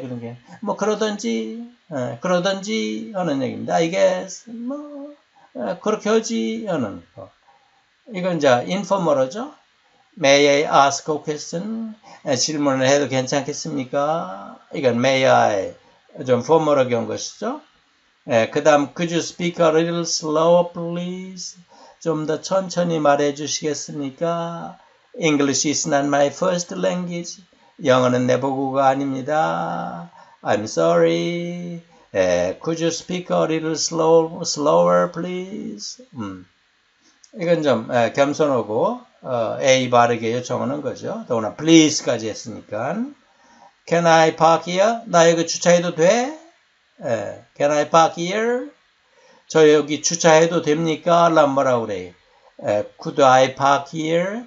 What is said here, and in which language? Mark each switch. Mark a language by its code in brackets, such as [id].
[ko] 그런 게뭐 그러든지 하는 얘기입니다. [en] I guess [ko] 뭐 그렇게 하지 하는 거. 이건 이제 informal이죠. [en] May I ask a question? [ko] 질문을 해도 괜찮겠습니까? 이건 may I 좀 formal하게 한 것이죠. 예, 그 다음, [en] could you speak a little slower, please? [ko] 좀더 천천히 말해 주시겠습니까? [en] English is not my first language. [ko] 영어는 내 母국어가 아닙니다. [en] I'm sorry. [ko] 예, [en] could you speak a little slower, please? [ko] 이건 좀 겸손하고, A 바르게 요청하는 거죠. 더구나 please까지 했으니까. [en] Can I park here? [ko] 나 여기 주차해도 돼? [en] Can I park here? [ko] 저 여기 주차해도 됩니까? 라는 뭐라고 그래요? [en] Could I park here?